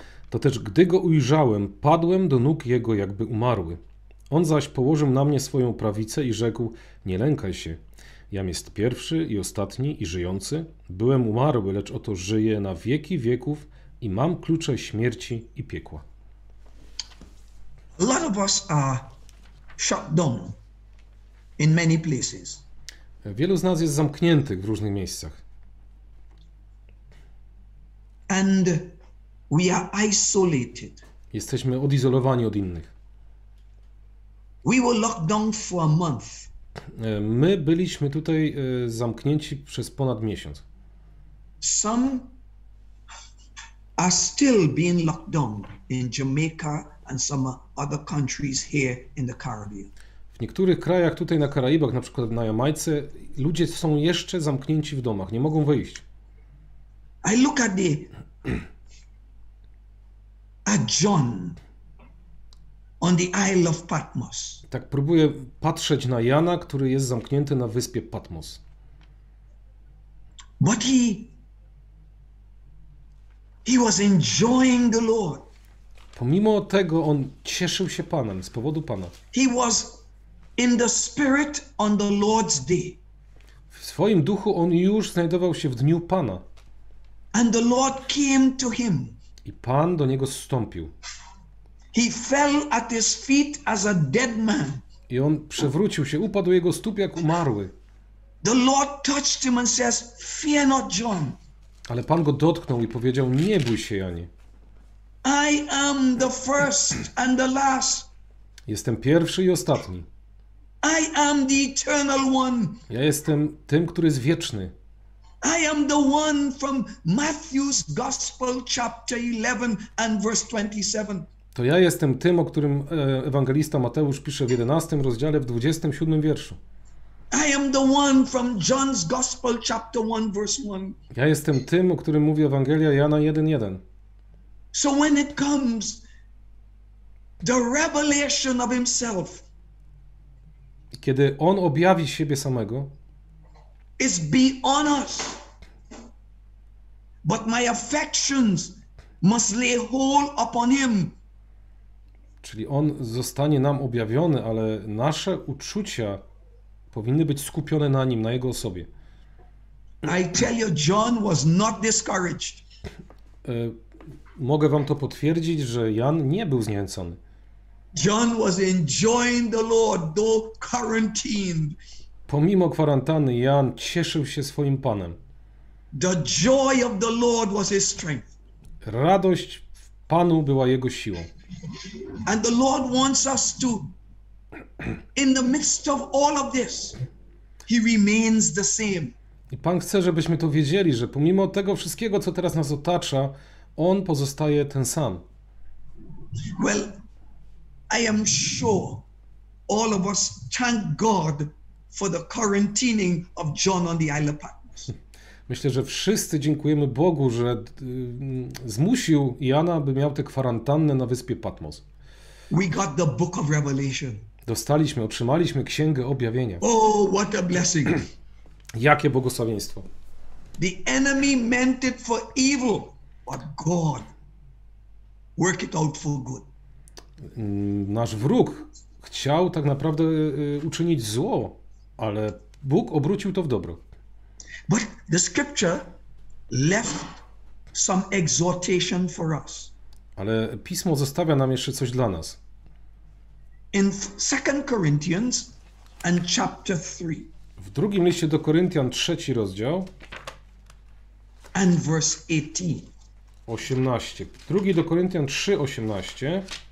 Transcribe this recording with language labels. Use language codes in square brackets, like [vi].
[pl] To też, gdy go ujrzałem, padłem do nóg jego, jakby umarły. On zaś położył na mnie swoją prawicę i rzekł: nie lękaj się. Jam jest pierwszy i ostatni i żyjący. Byłem umarły, lecz oto żyję na wieki wieków i mam klucze śmierci i piekła. [en] A lot of us are shut down in many places. [pl] Wielu z nas jest zamkniętych w różnych miejscach. [en] And we are isolated. [pl] Jesteśmy odizolowani od innych. [en] We were locked down for a month. [pl] My byliśmy tutaj zamknięci przez ponad miesiąc. [en] Some are still being locked down in Jamaica and some other countries here in the Caribbean. [pl] W niektórych krajach tutaj na Karaibach, na przykład na Jamajce, ludzie są jeszcze zamknięci w domach, nie mogą wyjść. [en] I look at the John on the Isle of Patmos. [pl] Tak próbuję patrzeć na Jana, który jest zamknięty na wyspie Patmos. [en] But he was enjoying the Lord. [pl] Pomimo tego on cieszył się Panem, z powodu Pana. [en] He was in the spirit on the Lord's day. [pl] W swoim duchu on już znajdował się w dniu Pana. [en] And the Lord came to him. [pl] I Pan do niego zstąpił. [en] He fell at his feet as a dead man. [pl] I on przewrócił się, upadł jego stóp jak umarły. [en] The Lord touched him and says, "Fear not, John." [pl] Ale Pan go dotknął i powiedział: nie bój się, Janie. [en] I am the first and the last. [pl] Jestem pierwszy i ostatni. [en] I am the eternal one. [pl] Ja jestem tym, który jest wieczny. [en] I am the one from Matthew's Gospel chapter 11 and verse 27. [pl] To ja jestem tym, o którym ewangelista Mateusz pisze w 11 rozdziale w 27 wierszu. [en] I am the one from John's Gospel chapter 1 verse 1. [pl] Ja jestem tym, o którym mówi Ewangelia Jana 1:1. [en] So when it comes the revelation of himself. [pl] Kiedy on objawi siebie samego, [en] is beyond us. But my affections must lay hold upon him. [pl] Czyli on zostanie nam objawiony, ale nasze uczucia powinny być skupione na nim, na jego osobie. [en] I tell you, John was not discouraged. [pl] Mogę wam to potwierdzić, że Jan nie był zniechęcony. [en] John was enjoying the Lord though quarantined. [pl] Pomimo kwarantanny Jan cieszył się swoim Panem. [en] The joy of the Lord was his strength. [pl] Radość w Panu była jego siłą. [en] And the Lord wants us to, in the midst of all of this, he remains the same. [pl] I Pan chce, żebyśmy to wiedzieli, że pomimo tego wszystkiego, co teraz nas otacza, on pozostaje ten sam. [en] Well, I am sure all of us thank God for the quarantining of John on the Isle of Patmos. [pl] Myślę, że wszyscy dziękujemy Bogu, że zmusił Jana, by miał tę kwarantannę na wyspie Patmos. [en] We got the book of Revelation. [pl] Dostaliśmy, otrzymaliśmy Księgę Objawienia. [en] Oh, what a blessing. [pl] Jakie błogosławieństwo. [en] The enemy meant it for evil, but God worked it out for good. [pl] Nasz wróg chciał tak naprawdę uczynić zło, ale Bóg obrócił to w dobro. [en] But the scripture left some exhortation for us. [pl] Ale Pismo zostawia nam jeszcze coś dla nas. [en] In 2 Corinthians and chapter 3. [pl] W drugim liście do Koryntian, trzeci rozdział. [en] And verse 18. [pl] 18. Drugi do Koryntian 3, 18.